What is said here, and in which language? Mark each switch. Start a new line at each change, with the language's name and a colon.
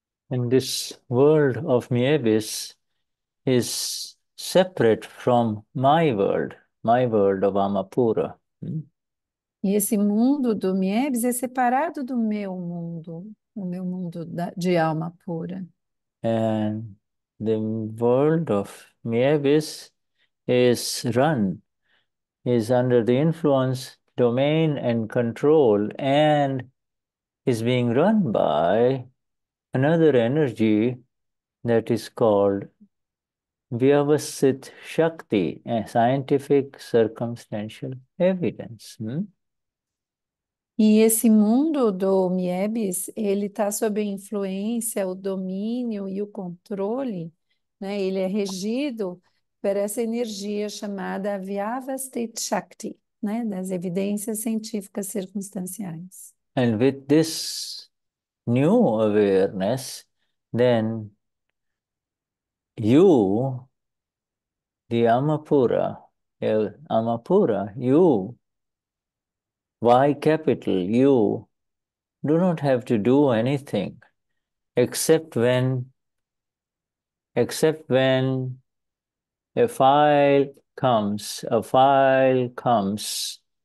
English: And this world of Miebis is separate from my world of Amapura.
Portuguese: E esse mundo do Miebs é separado do meu mundo, o meu mundo de alma pura.
English: And the world of Miebis is under the influence, domain, and control, and is being run by another energy that is called Vyavasthit Shakti, a scientific circumstantial evidence.
Portuguese: E esse mundo do Miebis, ele está sob influência, o domínio e o controle, né? Ele é regido por essa energia chamada Vyavasthit Shakti, né? Das evidências científicas circunstanciais.
English: And with this new awareness, then you, the Amapura, El Amapura, you, Y capital, you do not have to do anything except when a file comes,